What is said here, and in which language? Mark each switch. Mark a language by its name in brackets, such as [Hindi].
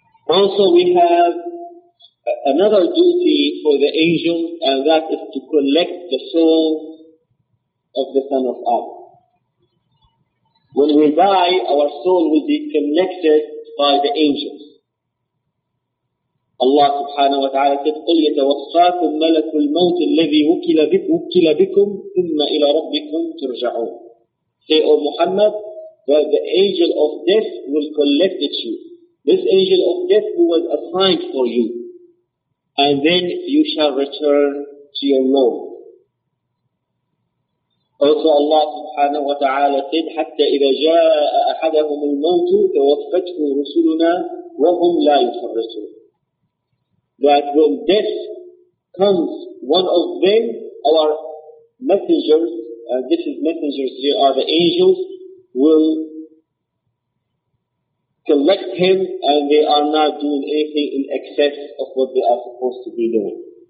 [English] Also, we have another duty for the angels, and that is to collect the soul of the Son of Adam. When we die, our soul will be collected by the angels. Allah subhanahu wa ta'ala said, [Arabic] قُلْ يَتَوَفَّاكُمْ مَلَكُ الْمَوْتِ الَّذِي وُكِّلَ بِكُمْ ثُمَّ إِلَى رَبِّكُمْ تُرْجَعُونَ. [English] Say, O Muhammad, that the angel of death will collect you. This angel of death who was assigned for you. And then you shall return to your Lord. Also Allah subhanahu wa ta'ala said, [Arabic] حَتَّى إِذَا جَاءَ أَحَدَهُمُ الْمَوْتُ تَوَفَّتْهُ رُسُلُنَا وَهُمْ لَا يُفَرِّسُونَ. [English] That when death comes, one of them, our messengers, this is messengers, they are the angels, will collect him, and they are not doing anything in excess of what they are supposed to be doing.